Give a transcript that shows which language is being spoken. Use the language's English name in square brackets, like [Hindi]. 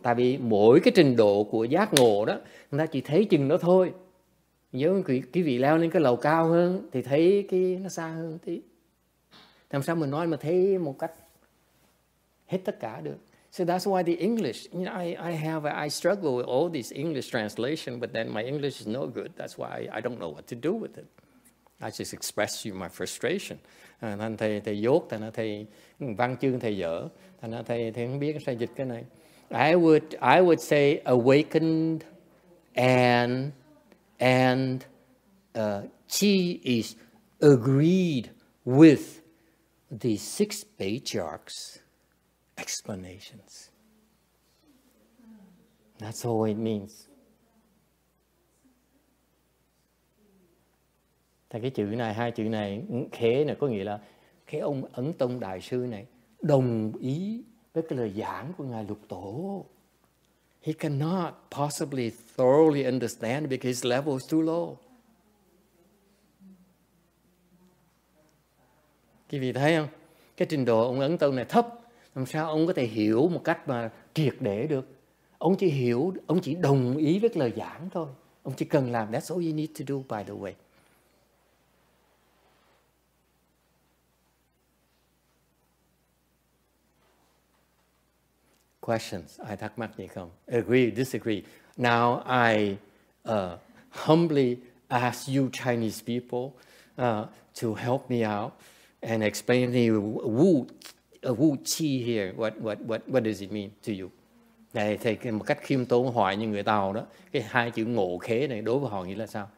[Vietnamese] Tại vì mỗi cái trình độ của giác ngộ đó, người ta chỉ thấy chừng đó thôi. Nếu quý vị leo lên cái lầu cao hơn thì thấy cái nó xa hơn tí. Làm sao mình nói mà thấy một cách hết tất cả được. [English] So that's why the English, you know, I struggle with all these English translation, but then my English is no good. That's why I don't know what to do with it. I just express you my frustration. [Vietnamese] Thành thầy dốt, thành thầy văn chương thầy dở, thành thầy không biết sao dịch cái này. [English] I would say awakened and qi is agreed with the 6th patriarch's explanations. That's all it means. [Vietnamese] Thì cái chữ này, hai chữ này, khế này có nghĩa là cái ông Ấn Tông Đại Sư này đồng ý với cái lời giảng của Ngài Lục Tổ. [English] He cannot possibly thoroughly understand because his level is too low. [Vietnamese] Quý vị thấy không? Cái trình độ ông Ấn Tông này thấp. Làm sao ông có thể hiểu một cách mà triệt để được? Ông chỉ hiểu, ông chỉ đồng ý với cái lời giảng thôi. Ông chỉ cần làm. [English] That's all you need to do, by the way. Questions? [Vietnamese] Ai thắc mắc gì không? [English] Agree, disagree. Now I humbly ask you Chinese people to help me out and explain to you Wu Qi here. What does it mean to you? [Vietnamese] Này, thầy một cách khiêm tốn hỏi như người Tàu đó, cái hai chữ ngộ khế này đối với họ nghĩa là sao?